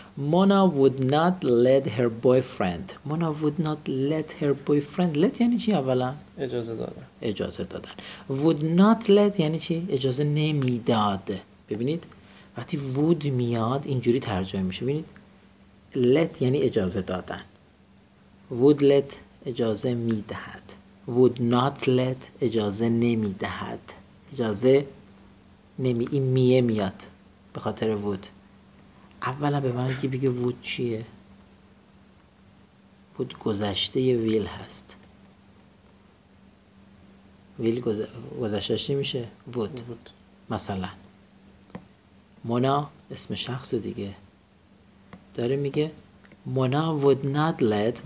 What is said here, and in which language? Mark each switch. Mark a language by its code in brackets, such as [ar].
[en] Mona would not let her boyfriend. [fa] Let یعنی چی اولا؟ اجازه دادن. Would not let یعنی چی؟ اجازه نمیداد. ببینید وقتی would میاد اینجوری ترجمه میشه. ببینید let یعنی اجازه دادن. Would let اجازه میدهد. Would not let اجازه نمیدهد. اجازه نمی این میه میاد به خاطر وود. اولا به من که بگه وود چیه؟ وود گذشته یه ویل هست. ویل گذشته میشه وود. مثلا مونا اسم شخص دیگه داره میگه مونا وود نات لت.